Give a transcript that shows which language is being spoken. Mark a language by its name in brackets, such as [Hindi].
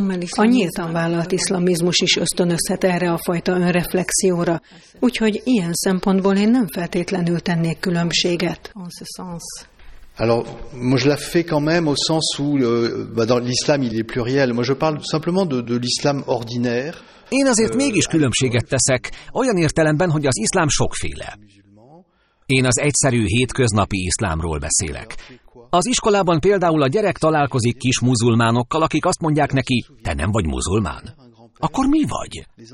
[Hungarian] A nyíltan vállalt iszlamizmus is ösztönözhet erre a fajta önreflexióra, úgyhogy ilyen szempontból én nem feltétlenül tennék különbséget. [French] Alors, moi je la fais quand même au sens où dans l'islam il est pluriel. Moi je parle simplement de l'islam ordinaire. [Hungarian] Én azért mégis különbséget teszek, olyan értelemben, hogy az iszlám sokféle. Én az egyszerű hétköznapi iszlámról beszélek. Az iskolában például a gyerek találkozik kis muzulmánokkal, akik azt mondják neki, te nem vagy muzulmán. Akkor mi vagy?